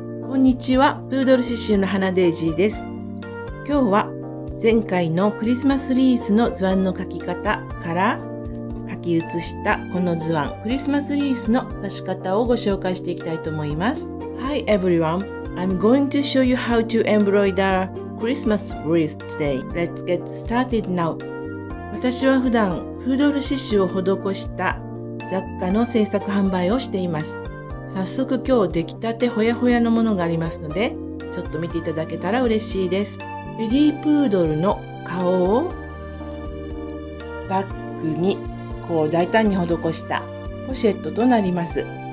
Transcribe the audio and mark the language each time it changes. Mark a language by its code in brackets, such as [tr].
[ja] こんにちは、プードル刺繍の花デイジーです。今日は前回のクリスマスリースの図案の描き方から描き写したこの図案、クリスマスリースの刺し方をご紹介していきたいと思います。 [en] Hi everyone, I'm going to show you how to embroider Christmas wreath today. Let's get started now. [ja] 私は普段プードル刺繍を施した雑貨の制作販売をしています。早速今日出来たてほやほやのものがありますので、ちょっと見ていただけたら嬉しいです。ベリープードルの顔をバッグにこう大胆に施したポシェットとなります。